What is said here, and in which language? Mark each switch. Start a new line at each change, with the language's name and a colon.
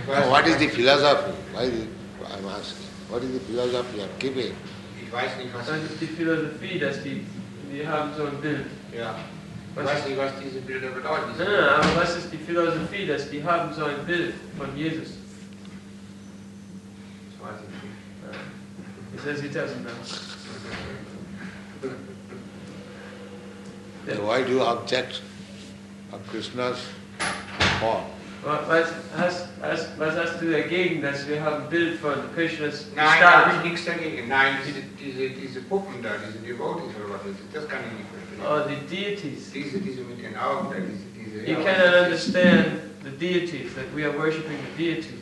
English: What is the philosophy? Why I'm asking. What is the philosophy of keeping?
German: Ich weiß nicht, was das ist die Philosophie, dass die haben so ein Bild. Ja. Ich weiß nicht, was diese Bilder bedeuten. Nein, nein, aber was ist die Philosophie, dass die haben so ein Bild von Jesus? Das weiß ich nicht.
English: Ja. He says he doesn't know. Why do you object of Krishna's form?
German: Was hast du dagegen, dass wir haben ein Bild von Krishnas Gestalt? Nein, da habe ich nichts dagegen. Nein, diese Puppen da, diese Devotees oder was, das kann ich nicht verstehen. Oh, die Deities. Diese mit den Augen da, diese
English: You cannot understand the deities, that we are worshipping the deities.